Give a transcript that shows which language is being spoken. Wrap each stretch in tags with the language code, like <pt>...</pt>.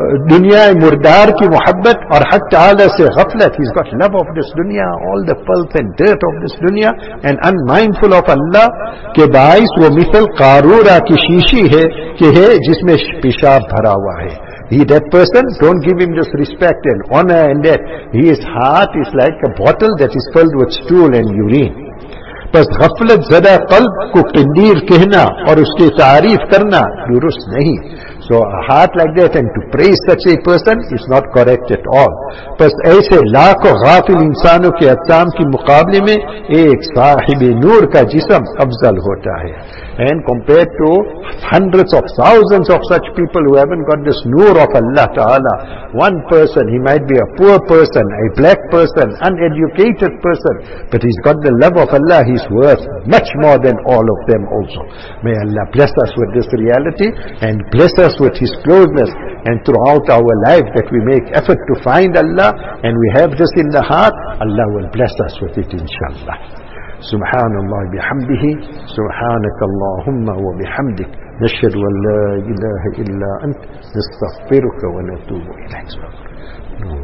<ur>دنیا مردار کی محبت اور حق تعالی سے غفلت.</ur> <en>He's got love of this dunya, all the filth and dirt of this dunya, and unmindful of Allah,</en> <ur>کے باعث وہ مثل قارورہ کی شیشی ہے کہ ہے جس میں پیشاب بھرا ہوا ہے.</ur> <en>He, that person, don't give him just respect and honor and that. His heart is like a bottle that is filled with stool and urine.</en> <ur>بس غفلت زدہ قلب کو قندیر کہنا اور اس کی تعریف کرنا درست نہیں.</ur> <en>So a heart like that and to praise such a person is not correct at all.</en> <ur>بس ایسے لاکھوں غافل انسانوں کے اقسام کے مقابلے میں ایک صاحب نور کا جسم افضل ہوتا ہے.</ur> <en>And compared to hundreds of thousands of such people who haven't got this noor of Allah Ta'ala, one person, he might be a poor person, a black person, uneducated person, but he's got the love of Allah, he's worth much more than all of them also. May Allah bless us with this reality and bless us with his closeness, and throughout our life that we make effort to find Allah and we have this in the heart, Allah will bless us with it inshallah.</en> <ar>سبحان الله بحمده سبحانك اللهم وبحمدك نشهد أن لا إله إلا أنت نستغفرك ونتوب إليك.</ar>